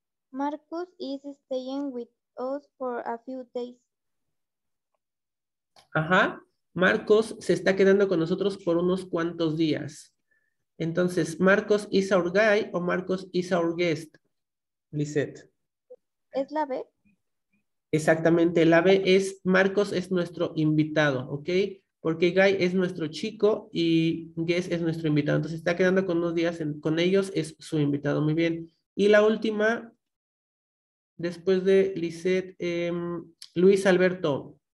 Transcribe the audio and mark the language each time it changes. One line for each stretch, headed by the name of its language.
English: Marcus is staying with us for a few days. Ajá.
Spanish: Marcus se está quedando con nosotros por unos cuantos días.
English: Entonces, Marcus is our guy o Marcus is our guest.
Spanish: Lisette. ¿Es la B? Exactamente, la B es, Marcos es nuestro invitado, ¿ok? Porque Guy es nuestro chico y Guess es nuestro invitado. Entonces, está quedando con unos días con ellos, es su invitado. Muy bien. Y la última, después de Lisette, Luis Alberto.